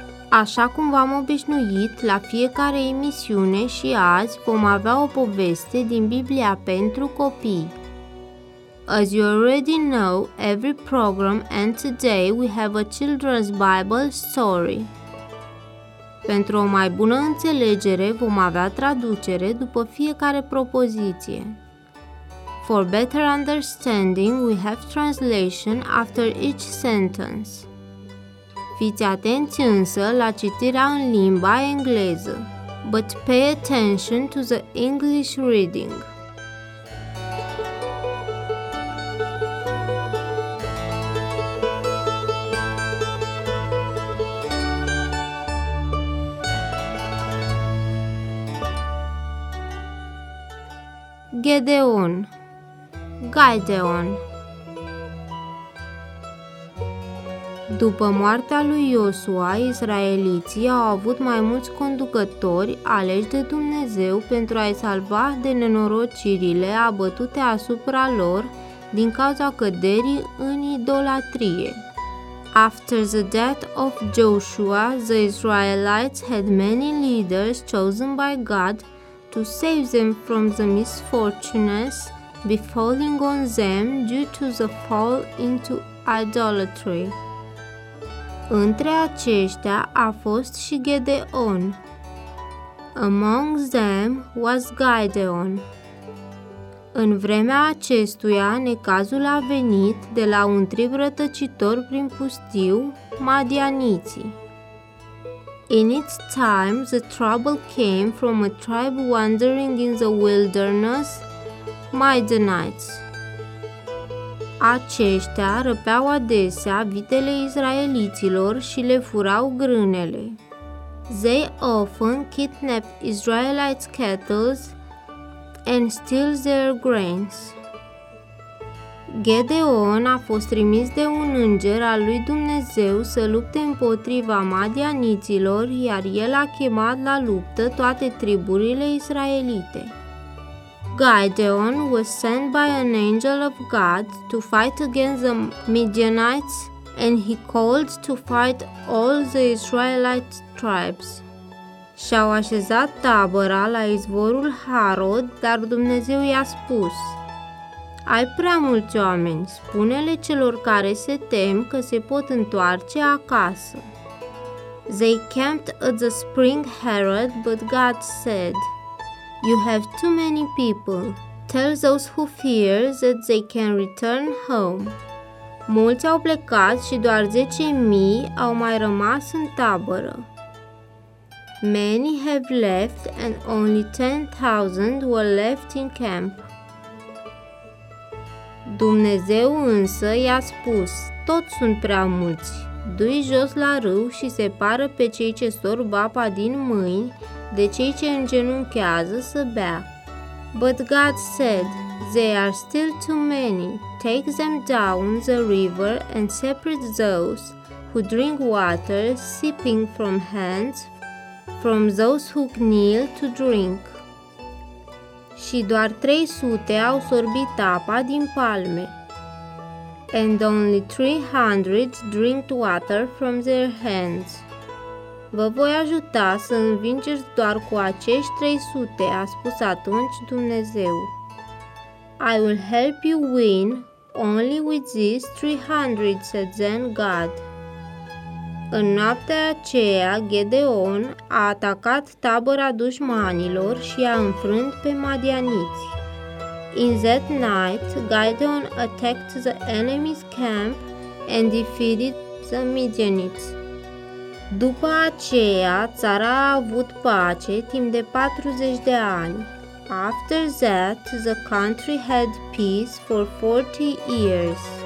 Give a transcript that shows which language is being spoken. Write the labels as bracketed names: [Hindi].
[Romanian] Așa cum v-am obișnuit la fiecare emisiune și azi vom avea o poveste din Biblia pentru copii. [English] As you already know, every program and today we have a children's Bible story. [Romanian] Pentru o mai bună înțelegere vom avea traducere după fiecare propoziție. [English] For better understanding, we have translation after each sentence. [Romanian] Fiți atenți însă la citirea în limba engleză. [English] But pay attention to the English reading. [Romanian] Gedeon. Gideon. După moartea lui Iosua, israeliții au avut mai mulți conducători aleși de Dumnezeu pentru a-i salva de nenorocirile abătute asupra lor din cauza căderii în idolatrie. [English] After the death of Joshua, the Israelites had many leaders chosen by God to save them from the misfortunes befalling on them due to the fall into idolatry. [Romanian] Între aceștia a fost și Gedeon. [English] Among them was Gideon. [Romanian] În vremea acestuia, necazul a venit de la un trib rătăcitor prin pustiu, Madianiții. [English] In its time, the trouble came from a tribe wandering in the wilderness, Midianites. [Romanian] Aceștia răpeau adesea vitele israeliților și le furau grânele. [English] They often kidnapped Israelites' cattle and steal their grains. [Romanian] Gedeon a fost trimis de un înger al lui Dumnezeu să lupte împotriva madianiților, iar el a chemat la luptă toate triburile israelite. [English] Gideon was sent by an angel of God to fight against the Midianites and he called to fight all the Israelite tribes. [Romanian] Și-au așezat tabăra la izvorul Harod, dar Dumnezeu i-a spus: ai prea mulți oameni, spune-le celor care se tem că se pot întoarce acasă. [English] They camped at the spring Harod, but God said, you have too many people. Tell those who fear that they can return home. [Romanian] Mulți au plecat și doar 10.000 au mai rămas în tabără. [English] Many have left and only 10,000 were left in camp. [Romanian] Dumnezeu însă i-a spus, toți sunt prea mulți. Du-i jos la râu și separă pe cei ce sorb apa din mâini de cei ce îngenunchează să bea. [English] But God said, they are still too many. Take them down the river and separate those who drink water sipping from hands from those who kneel to drink. [Romanian] Și doar 300 au sorbit apa din palme. [English] and only 300 drink water from their hands. [Romanian] Vă voi ajuta să învingeți doar cu acești 300, a spus atunci Dumnezeu. [English] I will help you win only with these 300, said then God. [Romanian] În noaptea aceea, Gedeon a atacat tabăra dușmanilor și a înfrânt pe madianiți. [English] In that night, Gideon attacked the enemy's camp and defeated the Midianites. [Romanian] După aceea, țara a avut pace timp de 40 de ani. [English] After that, the country had peace for 40 years.